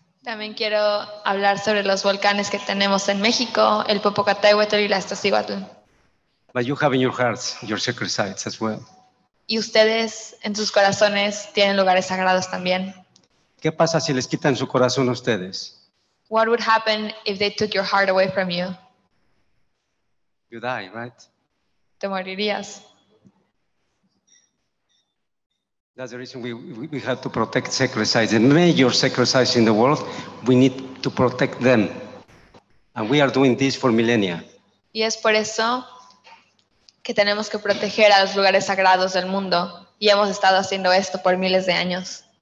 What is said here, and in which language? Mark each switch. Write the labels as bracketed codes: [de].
[es] También quiero hablar sobre los volcanes que tenemos en México, el Popocatépetl y la Iztaccíhuatl. [en] But you have in your hearts your sacred sites as well. [es] Y ustedes en sus corazones tienen lugares sagrados también. ¿Qué pasa si les quitan su corazón a ustedes? [en] What would happen if they took your heart away from you? You die, right? [es] Te morirías. [en] That's the reason we have to protect sacred sites. The major sacred sites in the world, we need to protect them. And we are doing this for millennia. [es] Y es por eso que tenemos que proteger a los lugares sagrados del mundo. Y hemos estado haciendo esto por miles de años.